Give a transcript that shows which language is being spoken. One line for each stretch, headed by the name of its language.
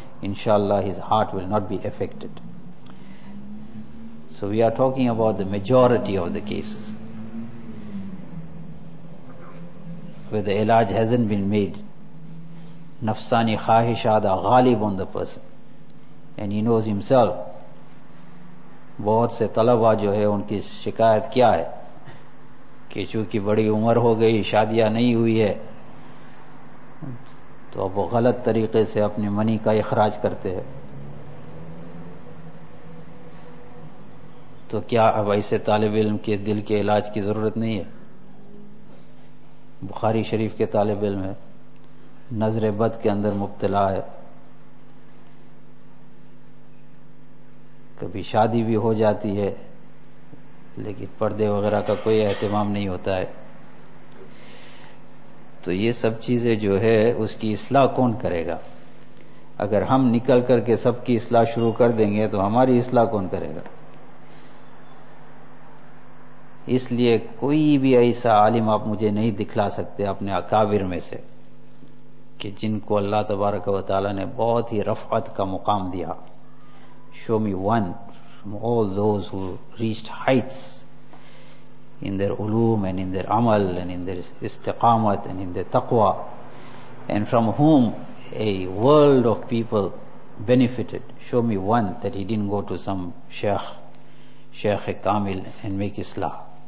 English: Inshallah, his heart will not be affected. So we are talking about the majority of the cases where the ilaj hasn't been made. Nafsani khahishad are ghalib on the person, and he knows himself.
Urdu: بہت سے طلبہ جو ہے ان کی شکایت کیا ہے کہ چونکہ بڑی عمر ہو گئی, شادیاں نہیں ہوئی ہے, تو اب وہ غلط طریقے سے اپنے منی کا اخراج کرتے ہیں. تو کیا اب ایسے طالب علم کے دل کے علاج کی ضرورت نہیں ہے؟ بخاری شریف کے طالب علم ہے, نظر بد کے اندر مبتلا ہے, کبھی شادی بھی ہو جاتی ہے لیکن پردے وغیرہ کا کوئی اہتمام نہیں ہوتا ہے. تو یہ سب چیزیں جو ہے اس کی اصلاح کون کرے گا؟ اگر ہم نکل کر کے سب کی اصلاح شروع کر دیں گے تو ہماری اصلاح کون کرے گا؟ اس لیے کوئی بھی ایسا عالم آپ مجھے نہیں دکھلا سکتے اپنے اکابر میں سے کہ جن کو اللہ تبارک و تعالی نے بہت ہی رفعت کا مقام دیا.
English: Show me one from all those who reached heights in their ulum and in their amal and in their istiqamat and in their taqwa, and from whom a world of people benefited. Show me one that he didn't go to some Shaykh-e-Kamil and make islah.